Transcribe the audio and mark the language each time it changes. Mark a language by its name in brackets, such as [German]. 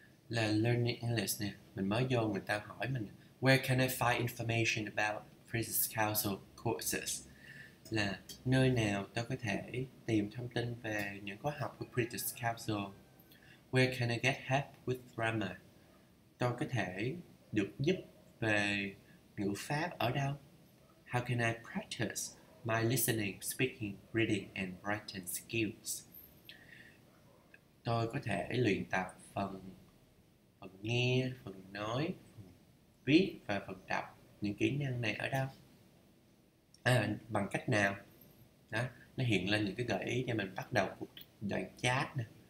[Vietnamese] Là Learning English nè. Mình mới vô người ta hỏi mình [English] Where can I find information about British Council courses? [Vietnamese] Là nơi nào tôi có thể tìm thông tin về những khóa học của British Council. [English] Where can I get help with grammar? [Vietnamese] Tôi có thể được giúp về ngữ pháp ở đâu? [English] How can I practice my listening, speaking, reading and writing skills? [Vietnamese] Tôi có thể luyện tập phần nghe, phần nói, phần viết và phần đọc những kỹ năng này ở đâu? À, bằng cách nào? Đó, nó hiện lên những cái gợi ý cho mình bắt đầu cuộc đoạn chat nè.